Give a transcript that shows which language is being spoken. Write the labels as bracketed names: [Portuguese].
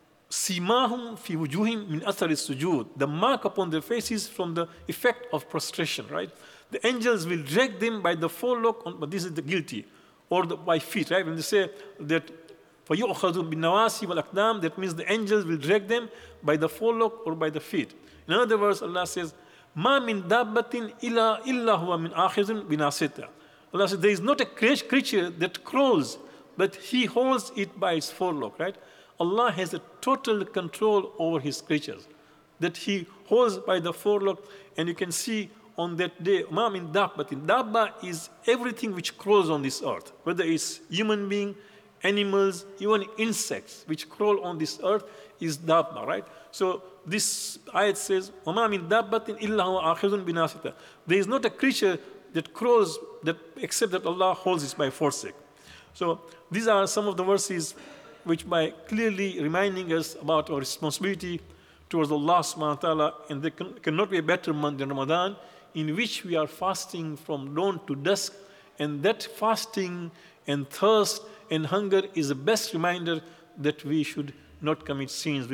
[Arabic] سِيمَاهُمْ فِي وُجُوهِمْ مِنْ أَثَرِ السُّجُودِ, [English] the mark upon their faces from the effect of prostration, right? The angels will drag them by the forelock, but this is the guilty, or the, by feet, right? When they say that, [Arabic] فَيُؤْخَذُ بِالنَّوَاسِي وَالْأَقْدَامِ, [English] that means the angels will drag them by the forelock or by the feet. In other words, Allah says, [Arabic] مَا مِنْ دَابَّةٍ إِلَّا هُوَ مِنْ آخِذٍ بِنَاصِيَتِهِ. [English] Allah says, there is not a creature that crawls, but he holds it by its forelock, right? Allah has a total control over his creatures, that he holds by the forelock. And you can see on that day, [Arabic] مَا مِنْ دَابَّةٍ, [English] Dabba is everything which crawls on this earth, whether it's human being, animals, even insects which crawl on this earth is Dabba, right? So this ayat says, [Arabic] وَمَا مِنْ دَابَّةٍ إِلَّا هُوَ آخِذٌ بِنَاصِيَتِهِ. [English] There is not a creature that crawls that except that Allah holds it by forelock. So these are some of the verses which by clearly reminding us about our responsibility towards Allah subhanahu wa ta'ala, and there cannot be a better month than Ramadan, in which we are fasting from dawn to dusk, and that fasting and thirst and hunger is the best reminder that we should not commit sins.